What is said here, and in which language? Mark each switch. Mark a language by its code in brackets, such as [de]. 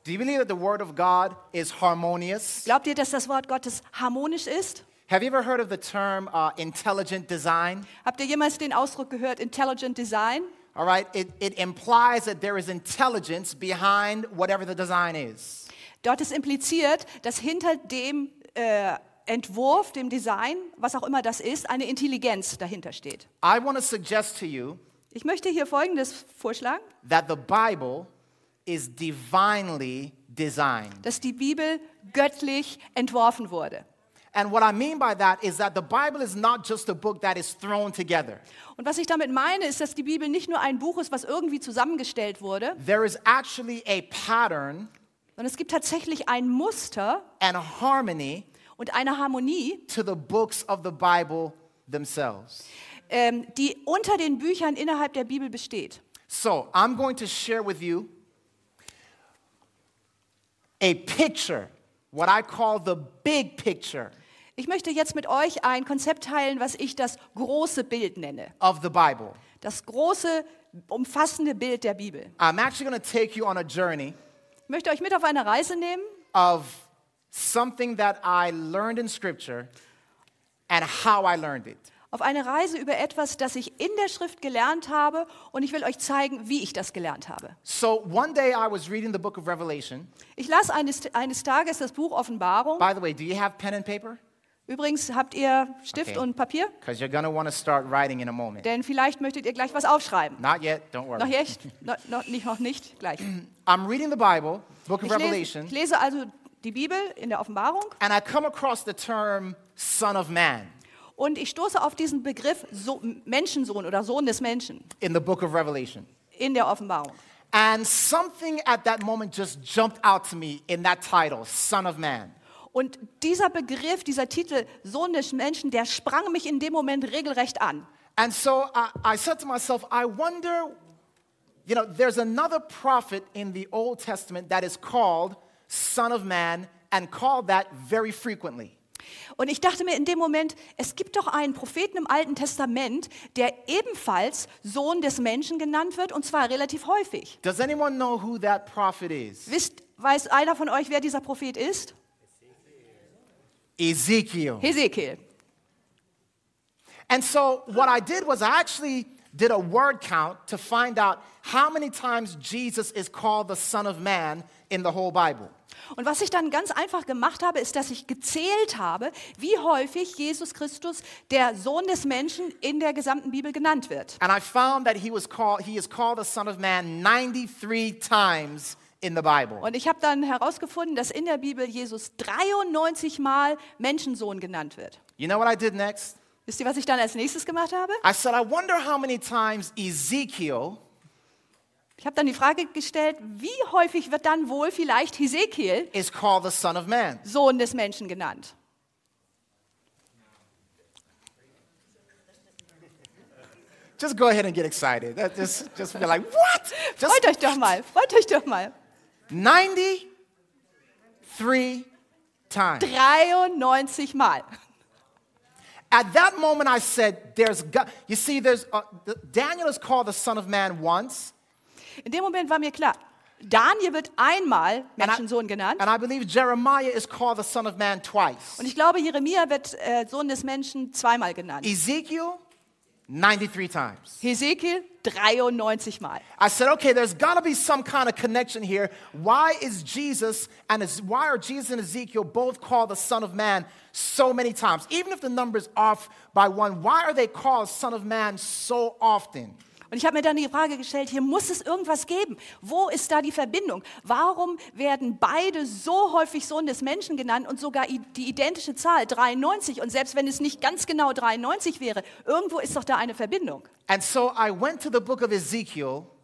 [en] Do you believe that the word of God is harmonious? [de] Glaubt ihr, dass das Wort Gottes harmonisch ist? [en] Have you ever heard of the term intelligent design? [de] Habt ihr jemals den Ausdruck gehört, intelligent design? [en] All right, it implies that there is intelligence behind whatever the design is. [de] Dort ist impliziert, dass hinter dem Entwurf, dem Design, was auch immer das ist, eine Intelligenz dahinter steht. [en] I want to suggest to you, [de] ich möchte hier Folgendes vorschlagen, [en] that the Bible is divinely designed. [de] Dass die Bibel göttlich entworfen wurde. [en] And what I mean by that is that the Bible is not just a book that is thrown together. [de] Und was ich damit meine, ist, dass die Bibel nicht nur ein Buch ist, was irgendwie zusammengestellt wurde. [en] There is actually a pattern. [de] Sondern es gibt tatsächlich ein Muster. [en] And a harmony. [de] Und eine Harmonie. [en] To the books of the Bible themselves. [de] Die unter den Büchern innerhalb der Bibel besteht. [en] So, I'm going to share with you a picture, what I call the big picture. [de] Ich möchte jetzt mit euch ein Konzept teilen, was ich das große Bild nenne. [en] Of the Bible. [de] Das große, umfassende Bild der Bibel. [en] I'm actually going to take you on a journey. [de] Ich möchte euch mit auf eine Reise nehmen. [en] Of something that I learned in Scripture and how I learned it. [de] Auf eine Reise über etwas, das ich in der Schrift gelernt habe, und ich will euch zeigen, wie ich das gelernt habe. [en] So one day I was reading the book of Revelation. [de] Ich las eines Tages das Buch Offenbarung. [en] By the way, do you have pen and paper? [de] Übrigens, habt ihr Stift und Papier? [en] Because you're gonna want to start writing in a moment. [de] Denn vielleicht möchtet ihr gleich was aufschreiben. [en] Not yet, don't worry. [de] Noch nicht, noch nicht gleich. [en] I'm reading the Bible, book of Revelation. [de] Ich lese also die Bibel in der Offenbarung. [en] And I come across the term Son of Man. [de] Und ich stoße auf diesen Begriff Menschensohn oder Sohn des Menschen. [en] In the book of Revelation. [de] In der Offenbarung. [en] And something at that moment just jumped out to me in that title, Son of Man. [de] Und dieser Begriff, dieser Titel, Sohn des Menschen, der sprang mich in dem Moment regelrecht an. [en] And so I said to myself, I wonder, you know, there's another prophet in the Old Testament that is called Son of Man and called that very frequently. [de] Und ich dachte mir in dem Moment, es gibt doch einen Propheten im Alten Testament, der ebenfalls Sohn des Menschen genannt wird, und zwar relativ häufig. [en] Does anyone know who that prophet is? [de] Weiß einer von euch, wer dieser Prophet ist? [en] Ezekiel. [de] Ezekiel. [en] And so what I did was I actually did a word count to find out how many times Jesus is called the Son of Man in the whole Bible. [de] Und was ich dann ganz einfach gemacht habe, ist, dass ich gezählt habe, wie häufig Jesus Christus, der Sohn des Menschen, in der gesamten Bibel genannt wird. [en] And I found that he is called the Son of Man 93 times in the Bible. [de] Und ich habe dann herausgefunden, dass in der Bibel Jesus 93 Mal Menschensohn genannt wird. [en] You know what I did next? [de] Wisst ihr, was ich dann als nächstes gemacht habe? [en] I said, I wonder how many times Ezekiel. [de] Ich habe dann die Frage gestellt, wie häufig wird dann wohl vielleicht Ezekiel [en] is called the Son of Man. [de] Sohn des Menschen genannt? [en] Just go ahead and get excited. Just be like, what? Just [de] freut euch doch mal, freut euch doch mal. [en] 93 times. [de] 93 Mal. [en] At that moment I said, Daniel is called the Son of Man once. [de] In dem Moment war mir klar, Daniel wird einmal Menschensohn genannt. [en] And I believe Jeremiah is called the Son of Man twice. [de] Und ich glaube, Jeremia wird Sohn des Menschen zweimal genannt. [en] Ezekiel 93 times. [de] Ezekiel 93 Mal. [en] I said, okay, there's got to be some kind of connection here. Why are Jesus and Ezekiel both called the Son of Man so many times? Even if the number's off by one, why are they called Son of Man so often? [de] Und ich habe mir dann die Frage gestellt, hier muss es irgendwas geben. Wo ist da die Verbindung? Warum werden beide so häufig Sohn des Menschen genannt und sogar die identische Zahl, 93? Und selbst wenn es nicht ganz genau 93 wäre, irgendwo ist doch da eine Verbindung. [en] And so I went to the book of Ezekiel,